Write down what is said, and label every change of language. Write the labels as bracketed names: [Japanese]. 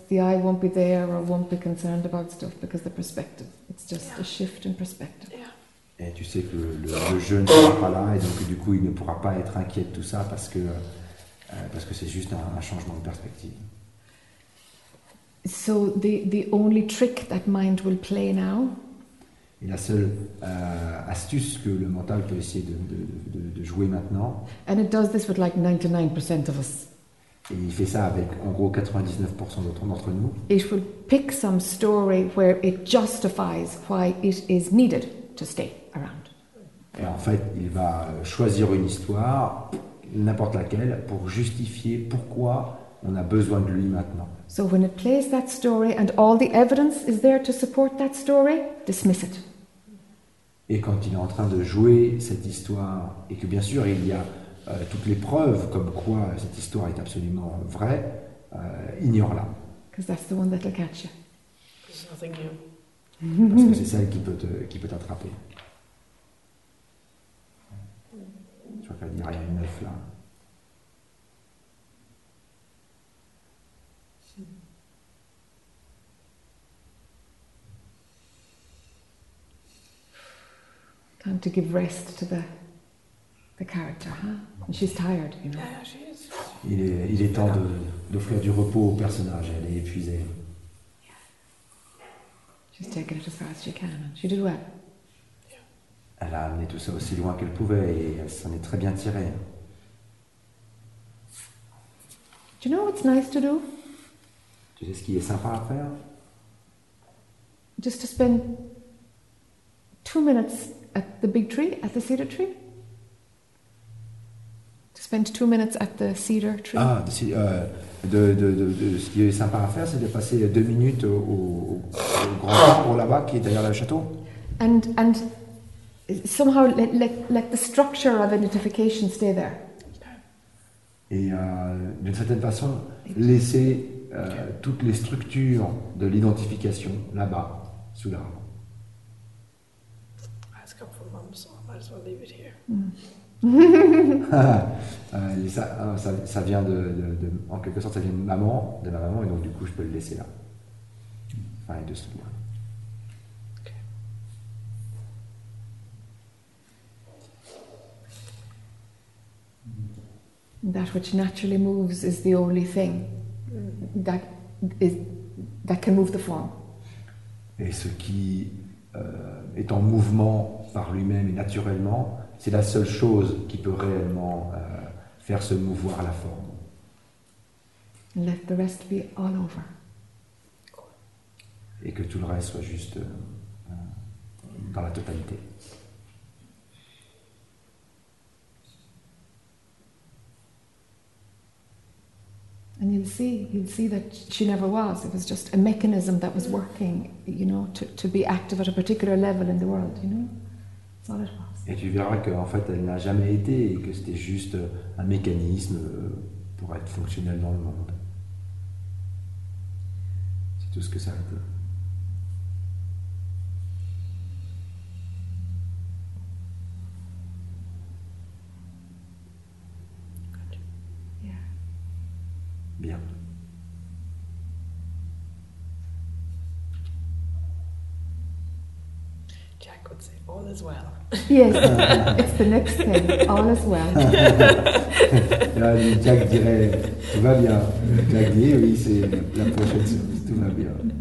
[English] The eye won't be there or won't be concerned about stuff because the perspective. It's just a shift in perspective. Yeah. [French] Et tu sais que le jeu ne sera pas là et donc du coup il ne pourra pas être inquiet de tout ça parce que c'est juste un changement de perspective. [English] So the only trick that mind will play now. [French] Et la seule astuce que le mental peut essayer de jouer maintenant. [English] And it does this with like 99% of us. [French] Et il fait ça avec en gros 99% d'entre nous. [English] It will pick some story where it justifies why it is needed to stay around. [French] Et en fait, il va choisir une histoire. N'importe laquelle pour justifier pourquoi on a besoin de lui maintenant. [English] So when it plays that story and all the evidence is there to support that story, dismiss it. [French] Et quand il est en train de jouer cette histoire et que bien sûr il y a toutes les preuves comme quoi cette histoire est absolument vraie, ignore-la. [English] Because that's the one that'll catch you. There's nothing new. [French] Parce que c'est celle qui peut t'attraper. Je crois qu'elle dit rien de neuf là. [English] Time to give rest to the character, huh? And she's tired, you know. Yeah, she is. [French] Il est temps d'offrir du repos au personnage. Elle est épuisée. [English] Yeah. She's taking it as far as she can. She did well. [French] Elle a amené tout ça aussi loin qu'elle pouvait et elle s'en est très bien tirée. [English] Do you know what's nice to do? [French] Tu sais ce qui est sympa à faire? [English] Just to spend 2 minutes at the big tree, at the cedar tree. To spend 2 minutes at the cedar tree. [French] Ah, ce qui est sympa à faire, c'est de passer 2 minutes au grand arbre là-bas, qui est derrière le château. [English] And somehow let the structure of identification stay there. [French] Et d'une certaine façon, laisser toutes les structures de l'identification là-bas, sous l'arbre. [English] That's come from mom, so I might as well leave it here. [French] ça vient de en quelque sorte, ça vient de ma maman, et donc du coup, je peux le laisser là. Enfin, et de ce point. [English] That which naturally moves is the only thing that can move the form. [French] Et ce qui est en mouvement par lui-même et naturellement, c'est la seule chose qui peut réellement faire se mouvoir la forme. [English] And let the rest be all over. [French] Et que tout le reste soit juste dans la totalité. [English] And you'll see that she never was. It was just a mechanism that was working, you know, to be active at a particular level in the world, you know. That's all it was. [French] Et tu verras qu'en fait elle n'a jamais été et que c'était juste un mécanisme pour être fonctionnel dans le monde. C'est tout ce que ça a été. Bien. [English] Jack would say, all is well. Yes, it's the next thing, all is well. [French] Jack dirait, tout va bien. Jack dit, oui, c'est la prochaine chose, tout va bien.